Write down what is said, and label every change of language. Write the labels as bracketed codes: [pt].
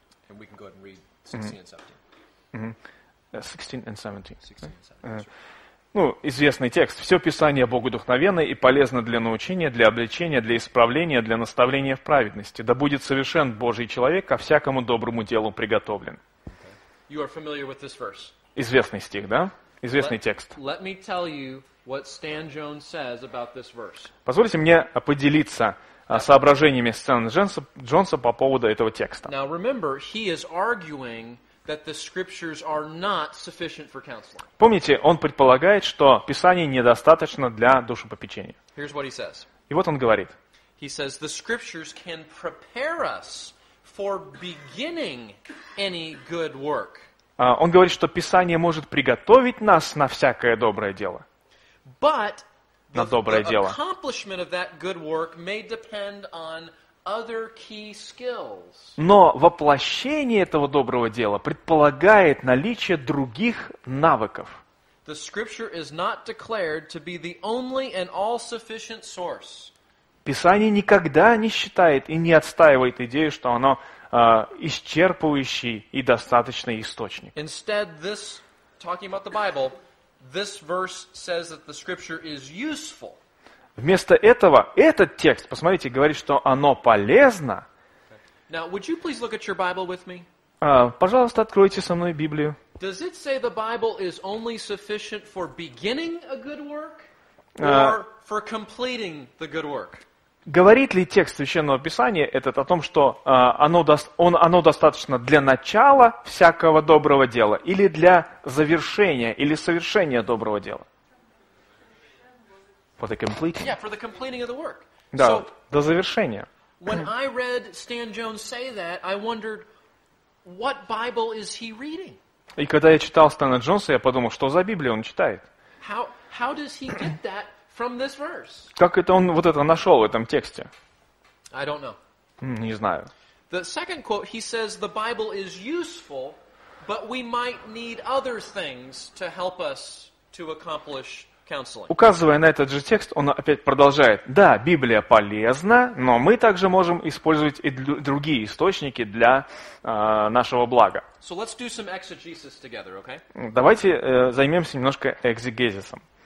[en] And we can go ahead and read 16 and 17. [ru] Ну, известный текст. Все Писание Богодухновенно и полезно для научения, для обличения, для исправления, для наставления в праведности. Да будет совершен Божий человек, ко всякому доброму делу приготовлен. [en] You are familiar with this verse. [ru] Известный стих, да? Известный текст. [en] Let me tell you what Stan Jones says about this verse. [ru] Позвольте мне поделиться соображениями Стэна Джонса по поводу этого текста. [en] Now remember, he is arguing that the scriptures are not sufficient for counseling. [ru] Помните, он предполагает, что Писание недостаточно для душепопечения. [en] Here's what he says. [ru] И вот он говорит. [en] He says the scriptures can prepare us for beginning any good work. [ru] Он говорит, что Писание может приготовить нас на всякое доброе дело. [en] But [ru] на доброе дело. [en] The accomplishment of that good work may depend on other key skills. [ru] Но воплощение этого доброго дела предполагает наличие других навыков. [en] The scripture is not declared to be the only and all-sufficient source. [ru] Писание никогда не считает и не отстаивает идею, что оно исчерпывающий и достаточный источник. [en] Instead, this, talking about the Bible, this verse says that the scripture is useful. [ru] Вместо этого, этот текст, посмотрите, говорит, что оно полезно. [en] Now, would you please look at your Bible with me? [ru] Пожалуйста, откройте со мной Библию. [en] Does it say the Bible is only sufficient for beginning a good work or for completing the good work? [ru] Говорит ли текст Священного Писания этот о том, что оно достаточно для начала всякого доброго дела или для завершения или совершения доброго дела? [en] For the completing. Yeah, for the completing of the work. [ru] Да, so, до завершения. [en] When I read Stan Jones say that, I wondered, what Bible is he reading? [ru] И когда я читал Стэна Джонса, я подумал, что за Библию он читает? [en] How does he get that? From this verse. [ru] Как это он вот это нашел в этом тексте? [en] I don't know. [ru] Не знаю. [en] The second quote, he says the Bible is useful, but we might need other things to help us to accomplish counseling. [ru] Указывая на этот же текст, он опять продолжает: да, Библия полезна, но мы также можем использовать и другие источники для нашего блага. [en] So let's do some exegesis together, okay? [ru] Давайте займемся немножко экзегезисом.